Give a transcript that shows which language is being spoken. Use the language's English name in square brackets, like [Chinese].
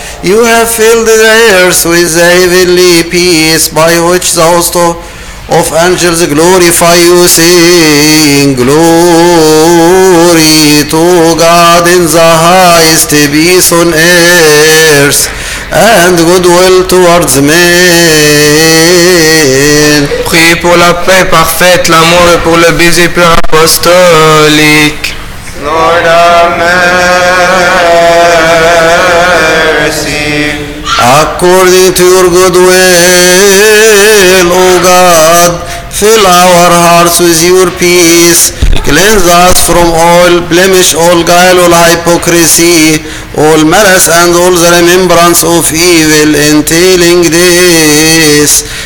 [English] You have filled the earth with the heavenly peace, by which the host of angels glorify you, saying, Glory to God in the highest, peace on earth, and goodwill towards men. [French] Priez pour la paix parfaite, l'amour et pour le visible apostolique. [English] Lord, have mercy. According to your goodwill, O God, fill our hearts with your peace. Cleanse us from all blemish, all guile, all hypocrisy, all malice and all the remembrance of evil entailing this.